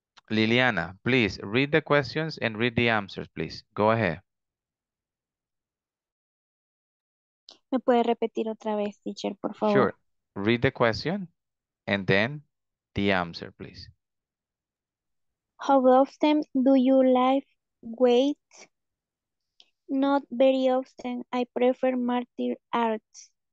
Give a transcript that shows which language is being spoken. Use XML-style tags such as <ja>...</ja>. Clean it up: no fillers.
<en>Liliana, please read the questions and read the answers, please. Go ahead.</en> <es>¿Me puede repetir otra vez, teacher, por favor?</es> <en>Sure. Read the question and then the answer, please. How often do you lift weights? Not very often. I prefer martial arts.</en>